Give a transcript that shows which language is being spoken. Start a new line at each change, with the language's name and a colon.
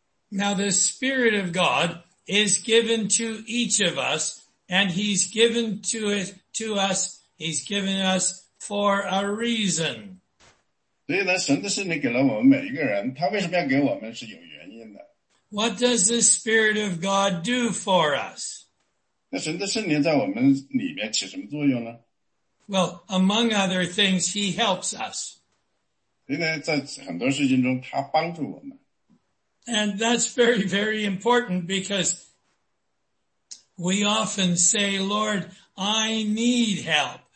English: Now the Spirit of God is given to each of us, and he's given to it to us, he's given us for a reason.
Chinese: 所以呢,神的圣灵给了我们每一个人,他为什么要给我们是有原因的。
English: What does the Spirit of God do for us?
Chinese: 那神的圣灵在我们里面起什么作用呢?
English: Well, among other things, he helps us.
Chinese: 所以呢,在很多事情中,他帮助我们。
English: And that's very, very important because we often say, Lord, I need help.